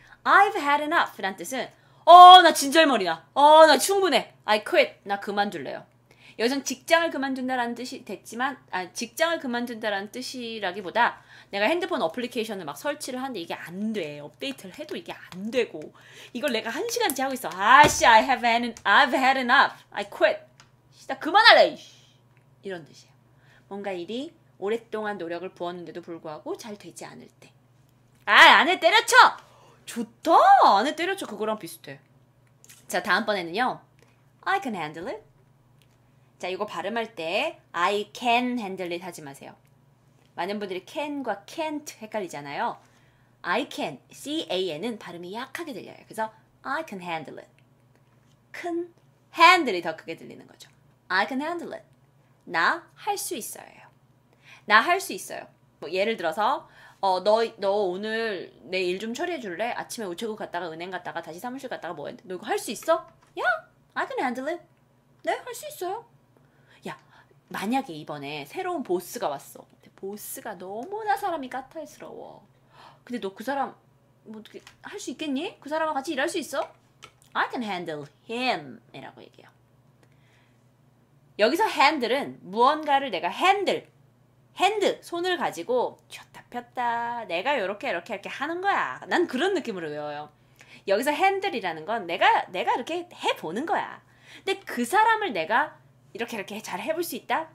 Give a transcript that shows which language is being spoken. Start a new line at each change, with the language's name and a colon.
English: I've had enough
Korean: 라는 뜻은 어, 나 진절머리나. 어, 나 충분해.
English: I quit.
Korean: 나 그만둘래요. 여기서는 직장을 그만둔다라는 뜻이 됐지만, 아, 직장을 그만둔다라는 뜻이라기보다 내가 핸드폰 어플리케이션을 막 설치를 하는데 이게 안 돼. 업데이트를 해도 이게 안 되고. 이걸 내가 한 시간째 하고 있어. 아씨,
English: I've had enough. I quit.
Korean: 나 그만할래. 이런 뜻이에요. 뭔가 일이 오랫동안 노력을 부었는데도 불구하고 잘 되지 않을 때. 아, 안에 때려쳐! 좋다! 안에 때려쳐. 그거랑 비슷해. 자, 다음번에는요.
English: I can handle it.
Korean: 자, 이거 발음할 때
English: I can handle it
Korean: 하지 마세요. 많은 분들이 can과 can't 헷갈리잖아요. I can, C-A-N은 발음이 약하게 들려요. 그래서
English: I can handle it.
Korean: 큰 handle이 더 크게 들리는 거죠.
English: I can handle it.
Korean: 나 할 수 있어요. 나 할 수 있어요. 뭐 예를 들어서 너 오늘 내 일 좀 처리해 줄래? 아침에 우체국 갔다가 은행 갔다가 다시 사무실 갔다가 뭐 했는데 너 이거 할 수 있어?
English: Yeah, I can handle it.
Korean: 네, 할 수 있어요. 야, 만약에 이번에 새로운 보스가 왔어. 보스가 너무나 사람이 까탈스러워. 근데 너 그 사람 뭐 어떻게 할 수 있겠니? 그 사람과 같이 일할 수 있어?
English: I can handle him
Korean: 이라고 얘기해요. 여기서 handle은 무언가를 내가 handle, hand, 손을 가지고 쥐었다 폈다 내가 이렇게 하는 거야. 난 그런 느낌으로 외워요. 여기서 handle이라는 건 내가 이렇게 해보는 거야. 근데 그 사람을 내가 이렇게 잘 해볼 수 있다?